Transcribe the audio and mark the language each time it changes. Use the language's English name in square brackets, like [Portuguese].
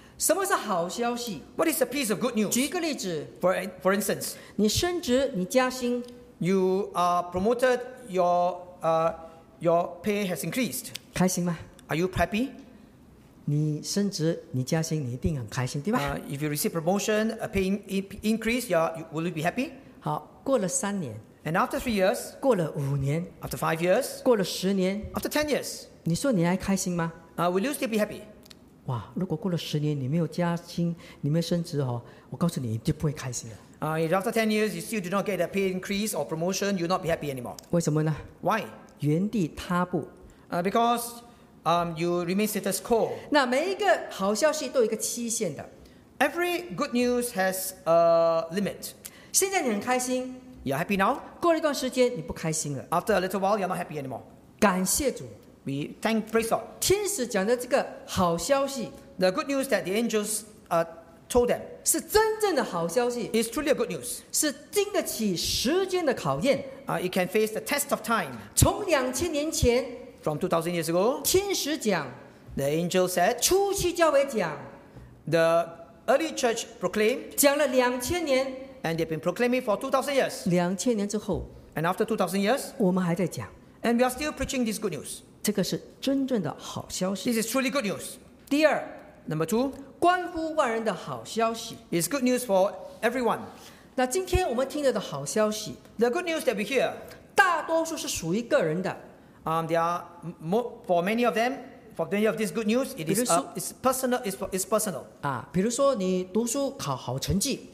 [Chinese] 什么是好消息？ [English] What is a piece of good news? [Chinese] 举一个例子。 [English] For instance, [Chinese] 你升职，你加薪。 [English] You are promoted. Your pay has increased. [Chinese] 开心吗 [English] ？Are you happy? [Chinese] 你升职，你加薪，你一定很开心，对吧 [English] ？If you receive promotion, a pay increase, will you be happy? [Chinese] 好，过了三年。 [English] And after 3 years. [Chinese] 过了五年。 [English] After 5 years. [Chinese] 过了十年。 [English] After 10 years. [Chinese] 你说你还开心吗 [English] ？Will you still be happy? [Chinese] 哇，如果过了十年你没有加薪，你没有升职哦，我告诉你，你就不会开心了。 [English] If after 10 years you still do not get a pay increase or promotion, you'll not be happy anymore. [Chinese] 为什么呢 [English] ？Why? [Chinese] 原地踏步。 [English] Because you remain status quo. [Chinese] 那每一个好消息都有一个期限的。 [English] Every good news has a limit. [Chinese] 现在你很开心。 [English] You're happy now. [Chinese] 过了一段时间你不开心了。 [English] After a little while, you're not happy anymore. [Chinese] 感谢主。 [English] We thank praise God. [Chinese] 天使讲的这个好消息。 [English] The good news that the angels told them. [Chinese] 是真正的好消息。 [English] It's truly a good news. [Chinese] 是经得起时间的考验。 [English] It can face the test of time. [Chinese] 从2000年前。 [English] From 2000 years ago. [Chinese] 天使讲。 [English] The angel said. [Chinese] 初期教会讲。 [English] The early church proclaimed. [Chinese] 讲了2000年。 [English] And they've been proclaiming for 2000 years. [Chinese] 2000年之后。 [English] And after 2000 years. [Chinese] 我们还在讲。 [English] And we are still preaching this good news. [Chinese] 这个是真正的好消息。 [English] This is truly good news. [Chinese] 第二。 [English] Number two. [Chinese] 关乎万人的好消息 [English] is good news for everyone. [Chinese] 那今天我们听到的好消息 [English] the good news that we hear, [Chinese] 大多数是属于个人的 [English] There are more, for many of this good news, it is it's personal. It's personal. [Chinese] 啊，比如说你读书考好成绩